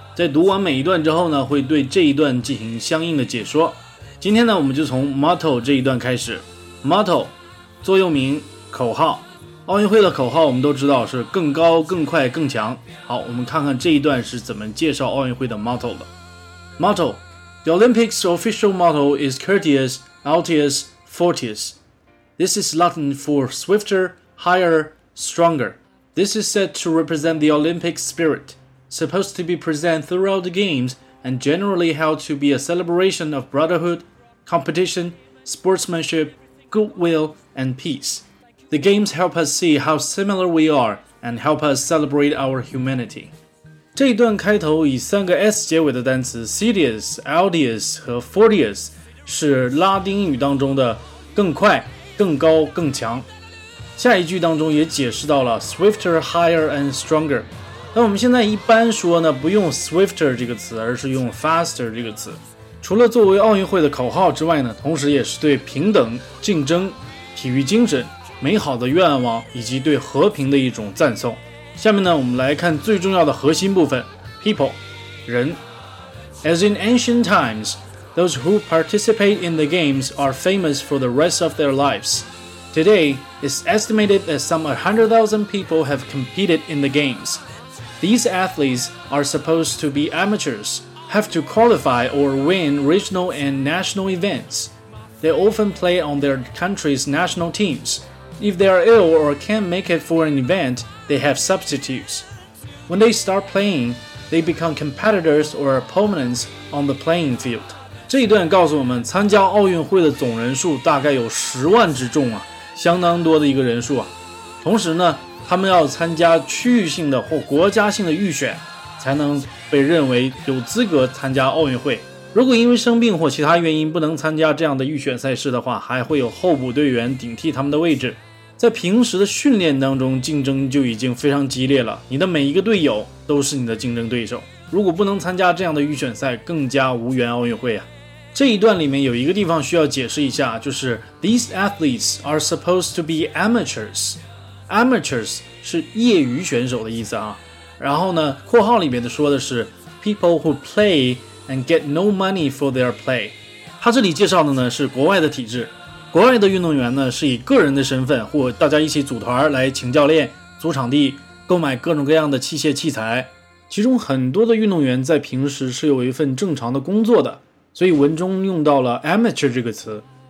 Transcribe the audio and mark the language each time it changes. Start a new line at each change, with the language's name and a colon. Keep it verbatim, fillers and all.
Chinese: 在读完每一段之后呢，会对这一段进行相应的解说。今天呢，我们就从 motto 这一段开始。motto 座右铭、口号。奥运会的口号我们都知道是更高、更快、更强。好，我们看看这一段是怎么介绍奥运会的 motto 的。
English: motto。 The Olympics' official motto is Curtius, Altius, Fortius. This is Latin for swifter, higher, stronger. This is said to represent the Olympic spirit, supposed to be present throughout the games and generally held to be a celebration of brotherhood, competition, sportsmanship, goodwill, and peace. The games help us see how similar we are and help us celebrate our humanity.
Chinese: 这一段开头以三个 S 结尾的单词 Cetius, Altius 和 Fortius 是拉丁语当中的更快、更高、更强。下一句当中也解释到了
English: swifter, higher and stronger。
Chinese: 那我们现在一般说呢，不用 swifter 这个词，而是用 faster 这个词。除了作为奥运会的口号之外呢，同时也是对平等、竞争、体育精神、美好的愿望以及对和平的一种赞颂。下面呢，我们来看最重要的核心部分 people 人。 As in ancient times, those who participate in the games are famous for the rest of their lives. Today, it's estimated that some one hundred thousand people have competed in the games. These athletes are supposed to be amateurs, have to qualify or win regional and national events. They often play on their country's national teams. If they are ill or can't make it for an event,They have substitutes. When they start playing, they become competitors or opponents on the playing field. 这一段告诉我们，参加奥运会的总人数大概有十万之众啊，相当多的一个人数啊。同时呢，他们要参加区域性的或国家性的预选，才能被认为有资格参加奥运会。如果因为生病或其他原因不能参加这样的预选赛事的话，还会有候补队员顶替他们的位置。在平时的训练当中，竞争就已经非常激烈了，你的每一个队友都是你的竞争对手，如果不能参加这样的预选赛，更加无缘奥运会啊。这一段里面有一个地方需要解释一下，就是
English: These athletes are supposed to be amateurs.
Chinese: Amateurs 是业余选手的意思啊。然后呢，括号里面的说的是
English: People who play and get no money for their play.
Chinese: 他这里介绍的呢是国外的体制，国外的运动员呢，是以个人的身份或大家一起组团来请教练、租场地、购买各种各样的器械器材。其中很多的运动员在平时是有一份正常的工作的，所以文中用到了 amateur 这个词。